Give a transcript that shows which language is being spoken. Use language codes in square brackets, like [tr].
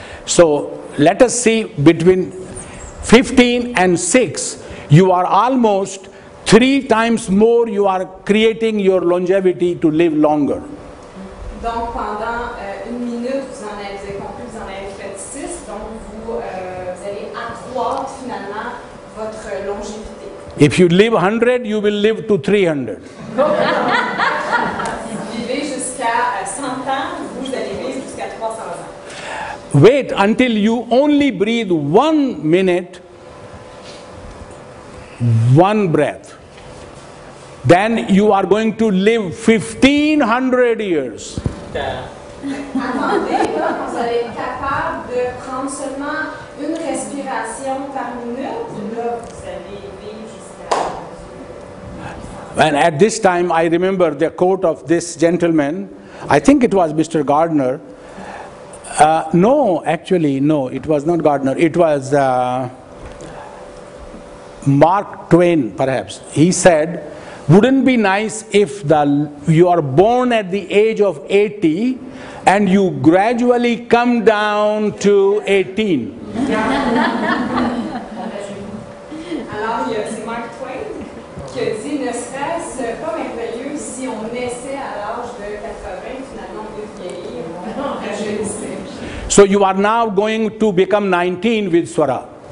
[en] So, let us see, between 15 and 6, you are almost 3 times more, you are creating your longevity to live longer. [fr] Donc, pendant 1 minute, vous en avez compris, vous en avez fait 6, donc vous allez accroître finalement votre longévité. [en] If you live 100, you will live to 300. [fr] Si vous vivez jusqu'à 100 ans, vous allez vivre jusqu'à 300 ans. [en] Wait until you only breathe 1 minute, one breath. Then you are going to live 1500 years. [fr] Attendez, vous allez être capable de prendre seulement une respiration par minute. Là, vous allez vivre jusqu'à. [en] And at this time, I remember the quote of this gentleman. I think it was Mr. Gardner. No, it was not Gardner. It was Mark Twain, perhaps. He said, wouldn't be nice if you are born at the age of 80 and you gradually come down to 18. [fr] Alors, c'est Mark Twain qui a dit, ne serait-ce pas merveilleux si on naissait à l'âge de 80, finalement, de vieillir, on rajeunissait. [en] So you are now going to become 19 with Swara.